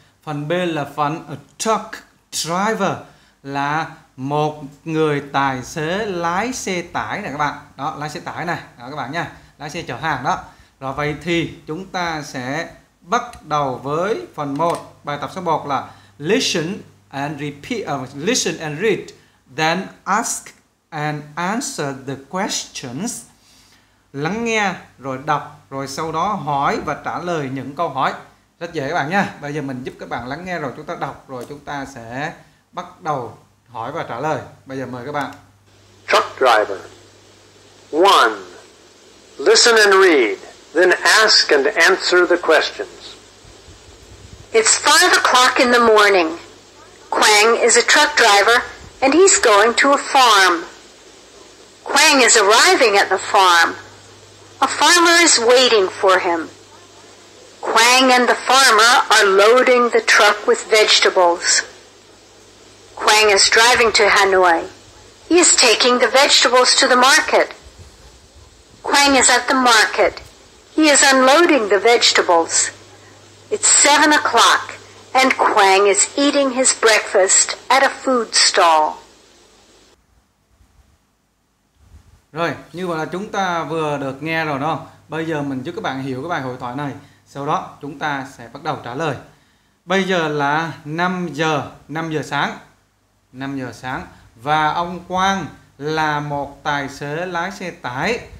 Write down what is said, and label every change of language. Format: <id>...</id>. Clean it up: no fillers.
<vi>Phần B là phần A Truck Driver, là một người tài xế lái xe tải này các bạn. Đó, lái xe tải này, đó các bạn nha. Lái xe chở hàng đó. Rồi vậy thì chúng ta sẽ bắt đầu với phần 1, bài tập số 1 là</vi> <en>Listen and repeat, listen and read. Then ask and answer the questions.</en> <vi>Lắng nghe, rồi đọc, rồi sau đó hỏi và trả lời những câu hỏi. Rất dễ các bạn nha. Bây giờ mình giúp các bạn lắng nghe rồi chúng ta đọc, rồi chúng ta sẽ bắt đầu hỏi và trả lời. Bây giờ mời các bạn.</vi> <en>Truck driver. 1. Listen and read, then ask and answer the questions. It's 5:00 in the morning. Quang is a truck driver, and he's going to a farm. Quang is arriving at the farm. A farmer is waiting for him. Quang and the farmer are loading the truck with vegetables. Quang is driving to Hanoi. He is taking the vegetables to the market. Quang is at the market. He is unloading the vegetables. It's 7:00. And Quang is eating his breakfast at a food stall.</en> <vi>Rồi, như vậy là chúng ta vừa được nghe rồi đó. Bây giờ mình giúp các bạn hiểu cái bài hội thoại này. Sau đó chúng ta sẽ bắt đầu trả lời. Bây giờ là 5 giờ sáng. 5 giờ sáng. Và ông Quang là một tài xế lái xe tải.</vi>